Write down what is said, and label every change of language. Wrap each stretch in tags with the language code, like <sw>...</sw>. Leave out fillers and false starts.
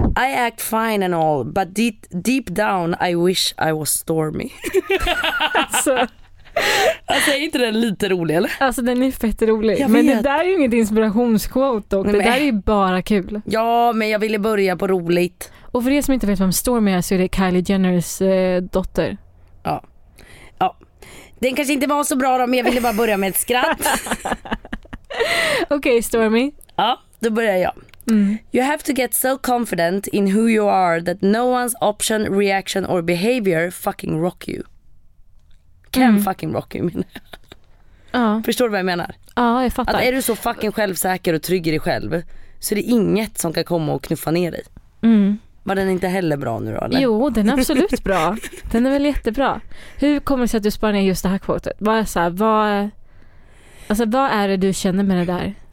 <en>I act fine and all, but deep down I wish I was stormy.</en> <sv>Alltså är inte den lite rolig eller? Alltså den är fett rolig. Jag men vet. Det där är ju inget inspirationsquote dock. Det där är ju bara kul. Ja, men jag ville börja på roligt. Och för er som inte vet vem Stormy är, så är det Kylie Jenners dotter. Ja. Ja. Den kanske inte var så bra då, men jag ville bara börja med ett skratt. Okej, Stormy. Ja, då börjar jag.</sv> <en>You have to get so confident in who you are that no one's option, reaction or behavior fucking rock you. Can fucking rock you,</en> <sv>menar jag. Förstår du vad jag menar? Ja, jag fattar. Att är du så fucking självsäker och trygg i dig själv, så är det inget som kan komma och knuffa ner dig. Var den inte heller bra nu då, eller? Jo, den är absolut bra. Den är väl jättebra. Hur kommer det sig att du sparar ner just det här kvotet? Vad är, så här, vad, alltså, vad är det du känner med det där?</sv>